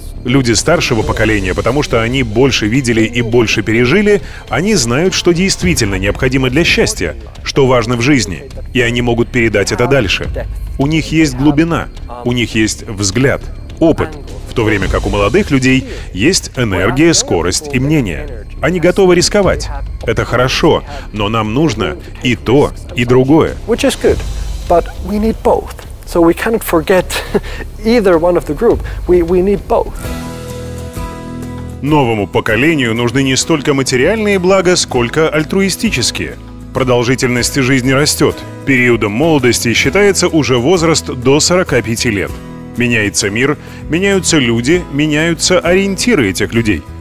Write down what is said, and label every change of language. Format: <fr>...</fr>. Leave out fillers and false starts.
<ru>Люди старшего поколения, потому что они больше видели и больше пережили, они знают, что действительно необходимо для счастья, что важно в жизни, и они могут передать это дальше. У них есть глубина, у них есть взгляд, опыт, в то время как у молодых людей есть энергия, скорость и мнение. Они готовы рисковать. Это хорошо, но нам нужно и то, и другое.</ru> <en>But we need both. So we cannot forget either one of the group. We need both.</en> <ru>Новому поколению нужны не столько материальные блага, сколько альтруистические. Продолжительность жизни растет. Периодом молодости считается уже возраст до 45 лет. Меняется мир, меняются люди, меняются ориентиры этих людей.</ru>